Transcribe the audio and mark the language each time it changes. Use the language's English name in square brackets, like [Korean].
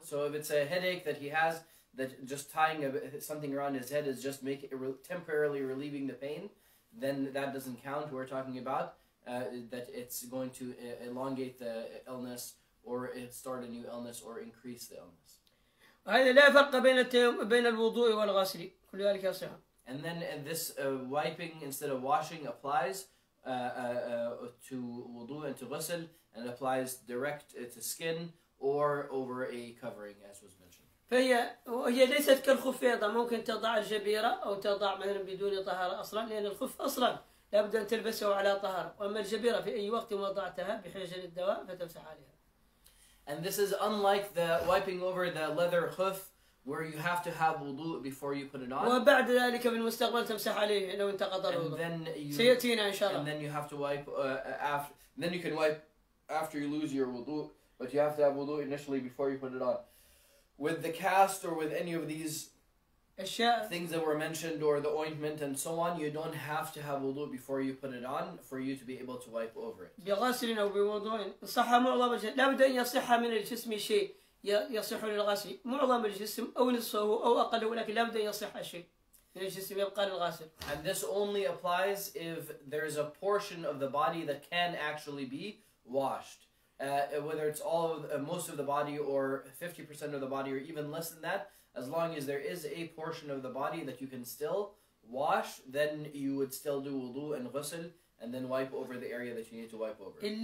[English] So if it's a headache that he has, that just tying something around his head is just temporarily relieving the pain, then that doesn't count. We're talking about that it's going to elongate the illness or start a new illness or increase the illness. [Arabic] هذا لا فرق بين الوضوء والغسل كل ذلك يصح. [English] And then this wiping instead of washing applies to wudu and to ghusl and applies direct to skin or over a covering as was mentioned. [Arabic] فهي وهي ليست كالخف أيضا ممكن تضع الجبيرة أو تضع مثلا بدون طهارة أصلا لأن الخف أصلا لابد أن تلبسه على طهارة وأما الجبيرة في أي وقت وضعتها بحاجة للدواء فتمسح عليها. [English] And this is unlike the wiping over the leather khuf where you have to have wudu before you put it on. [Arabic] وبعد ذلك في المستقبل تمسح عليه لو انت قدر الله. سيأتينا إن شاء الله. [English] And then you have to wipe after. Then you can wipe after you lose your wudu, but you have to have wudu initially before you put it on. With the cast or with any of these things that were mentioned or the ointment and so on, you don't have to have wudu before you put it on for you to be able to wipe over it. [Arabic] بغسل أو بوضوء صح معظم الشيء لا بد أن يصح من الجسم شيء يصح للغسل معظم الجسم أو نصفه أو أقله ولكن لا بد أن يصح شيء من الجسم يبقى للغسل. [English] And this only applies if there is a portion of the body that can actually be washed. Whether it's all of most of the body or 50% of the body or even less than that, as long as there is a portion of the body that you can still wash, then you would still do wudu and ghusl and then wipe over the area that you need to wipe over.